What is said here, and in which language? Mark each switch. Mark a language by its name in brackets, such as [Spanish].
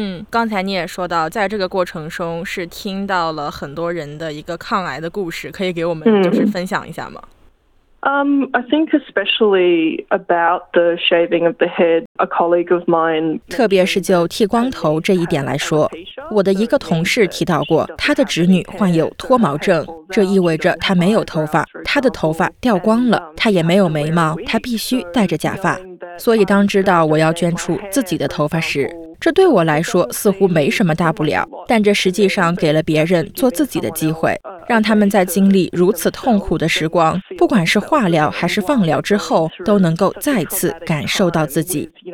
[Chinese] 刚才你也说到，在这个过程中是听到了很多人的一个抗癌的故事，可以给我们就是分享一下吗？ [English] I think especially about the shaving of the head, a colleague of mine. [Chinese] 特别是就剃光头这一点来说，我的一个同事提到过，他的侄女患有脱毛症，这意味着他没有头发，他的头发掉光了，他也没有眉毛，他必须戴着假发。所以当知道我要捐出自己的头发时，这对我来说似乎没什么大不了，但这实际上给了别人做自己的机会，让他们在经历如此痛苦的时光，不管是化疗还是放疗之后，都能够再次感受到自己。